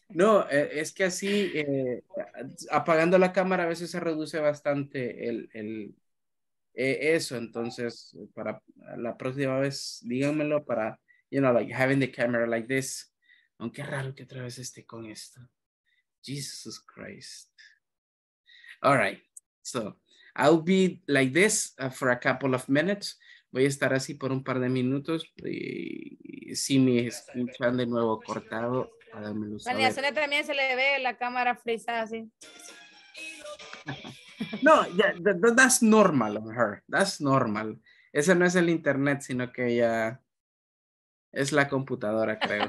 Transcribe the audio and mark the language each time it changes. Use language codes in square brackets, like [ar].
[es] No, es que así, apagando la cámara a veces se reduce bastante eso. Entonces, para la próxima vez, díganmelo para, [en] you know, like having the camera like this. [es] Aunque raro que otra vez esté con esto. [en] Jesus Christ. All right. So, I'll be like this for a couple of minutes. [es] Voy a estar así por un par de minutos. Y si me escuchan de nuevo cortado, a darme luz. Vale, a Sonia también se le ve la cámara frisada así. [en] No, yeah, that's normal on her. That's normal. [es] Ese no es el internet, sino que ella es la computadora, creo.